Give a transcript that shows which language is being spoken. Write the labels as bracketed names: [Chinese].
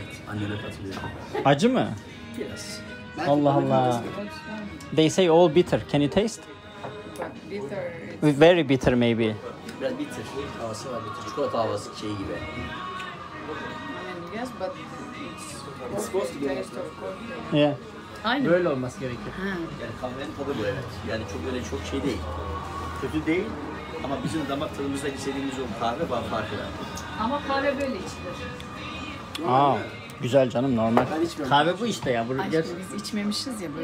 [Turkish] Annene katılıyorum. Acı mı? Biraz. [English] Allah Allah. They say all bitter. Can you taste? Bitter. Very bitter maybe. [Turkish] Biraz bitter. Havası var bitter. Çikolata havası şey gibi. [English] Yes, but it's supposed to be taste of coffee. Yeah. [Turkish] Aynı. Böyle olması gerekiyor. Yani kahvenin tadı bu evet. Yani çok öyle çok şey değil. Kötü değil ama bizim damak tadımızda istediğimiz o kahve var farkı var. Ama kahve böyle içilir. Aa, güzel canım normal. Kahve bu işte ya. Aşkım biz içmemişiz ya böyle.